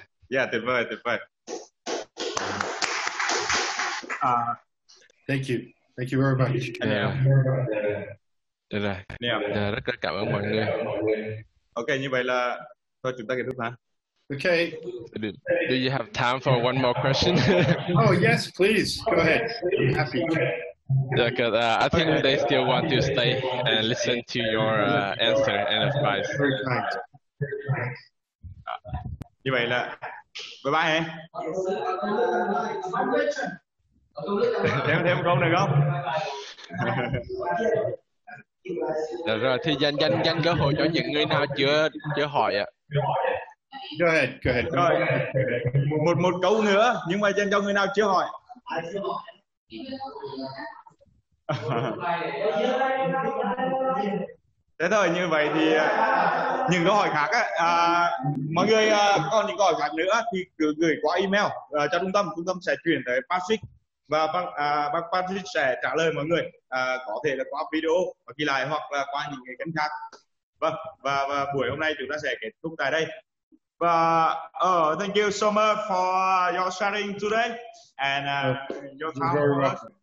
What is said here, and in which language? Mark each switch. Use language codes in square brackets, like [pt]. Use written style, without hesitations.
[vi] Yeah, tuyệt vời, tuyệt vời. [en] Thank you. Thank you very much. Yeah. Rồi. Yeah. [vi] Yeah, rất là cảm ơn mọi người. Ok, như vậy là thôi chúng ta kết thúc hả? Ok. [en] Do you have time for one more question? Oh, yes, please. Go ahead. I'm happy. Because I think they still want to stay and listen to your answer and advice. [vi] Như vậy là bye bye. Thêm không được không? Được rồi, thì dành cơ hội cho những người nào chưa hỏi ạ. [en] Go ahead, go ahead. [vi] Rồi. Một câu nữa, nhưng mà dành cho người nào chưa hỏi. Thế thôi, như vậy thì những câu hỏi khác á, mọi người còn những câu hỏi khác nữa thì cứ gửi qua email cho trung tâm sẽ chuyển tới Patrick, và bác Patrick sẽ trả lời mọi người, có thể là qua video và ghi lại hoặc là qua những cái kênh khác. Vâng, và buổi hôm nay chúng ta sẽ kết thúc tại đây. [en] Và thank you so much for your sharing today and your time.